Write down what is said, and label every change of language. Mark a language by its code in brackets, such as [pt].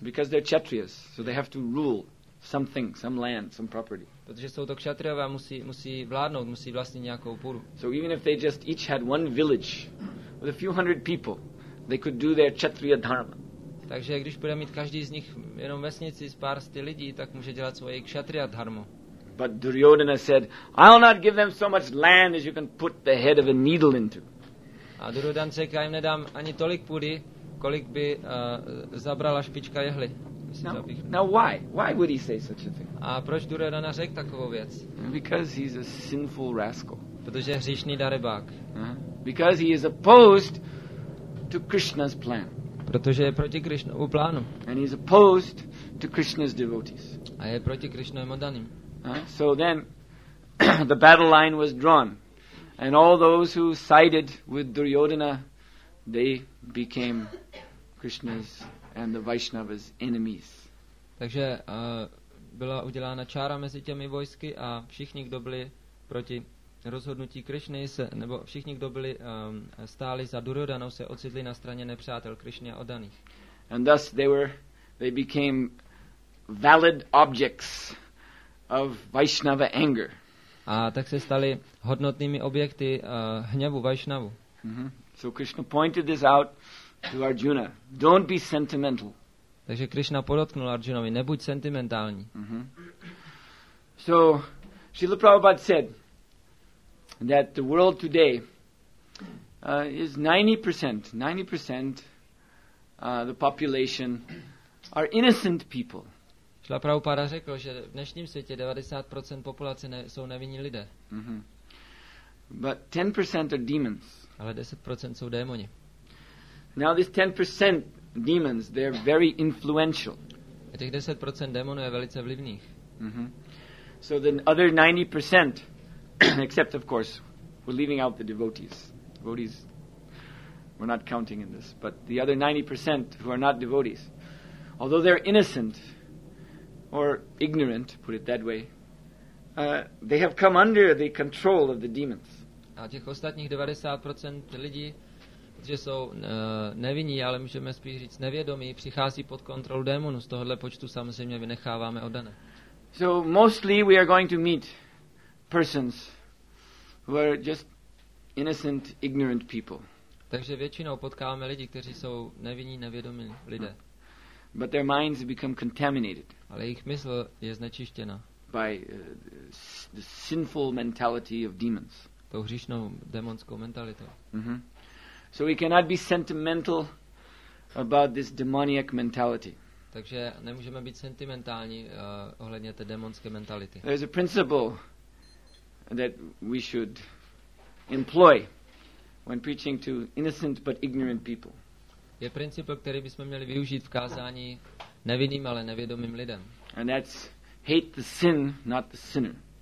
[en] Because they're Kshatriyas, so they have to rule something, some land, some property. [cs] Protože jsou to Kshatriyové, musí vládnout, musí vlastnit nějakou půdu. [en] So even if they just each had one village with a few hundred people, they could do their Kshatriya dharma. [cs] Takže když bude mít každý z nich jenom vesnici s pár sty lidí, tak může dělat svoje Kshatriya dharmu. [en] But Duryodhana said, I'll not give them so much land as you can put the head of a needle into. [cs] A Duryodhana řekl, jim nedám ani tolik půdy, kolik by zabrala špička jehly. [en] Now why would he say such a thing? [cs] A proč Duryodhana řekl takovou věc? [en] Because he's a sinful rascal. [cs] Protože je hříšný darebák. [en] Because he is opposed to Krishna's plan. [cs] Protože je proti Krišnovu plánu. [en] And he is opposed to Krishna's devotees. [cs] A je proti Krišnovým oddaným. [en] So then the battle line was drawn and all those who sided with Duryodhana, they became Krishna's and the Vaishnava's enemies. [cs] Takže byla udělána čára mezi těmi vojsky a všichni, kdo byli proti rozhodnutí Krišny, nebo všichni, kdo byli stáli za Duryodhanou, se ocitli na straně nepřátel Krišny a oddaných. [en] And thus they became valid objects of Vaishnava anger. [cs] A tak se stali hodnotnými objekty hněvu Vaishnavu. [en] So Krishna pointed this out to Arjuna. Don't be sentimental. [cs] Takže Krishna podotknul Arjunovi, nebuď sentimentální. [en] So Srila Prabhupada said that the world today is 90% the population are innocent people. [cs] Šla Prabhupada řekl, že v dnešním světě 90% populace jsou nevinní lidé. [en] But 10% are demons. [cs] Ale 10% jsou démoni. [en] Now this 10% demons, they're very influential. [cs] A těch 10% démonů je velice vlivných. [en] So the other 90%, except of course, we're leaving out the devotees. Devotees, we're not counting in this. But the other 90% who are not devotees, although they're innocent, or ignorant, put it that way, they have come under the control of the demons. [cs] A těch ostatních 90% lidí, že jsou nevinní, ale můžeme spíš říct nevědomí, přichází pod kontrolu démonů. Z tohohle počtu samozřejmě vynecháváme oddané. [en] So mostly we are going to meet persons who are just innocent, ignorant people. [cs] Takže většinou potkáváme lidi, kteří jsou nevinní, nevědomí lidé. [en] But their minds become contaminated. [cs] Ale jejich mysl je znečištěna. [en] By the sinful mentality of demons. [cs] Tou hříšnou demonskou mentalitou. Mm-hmm. [en] So we cannot be sentimental about this demonic mentality. [cs] Takže nemůžeme být sentimentální ohledně té demonské mentality. [en] There is a principle that we should employ when preaching to innocent but ignorant people. [cs] Je princip, který bychom měli využít v kázání nevinným, ale nevědomým lidem. [en] And that's hate the sin, not the sinner.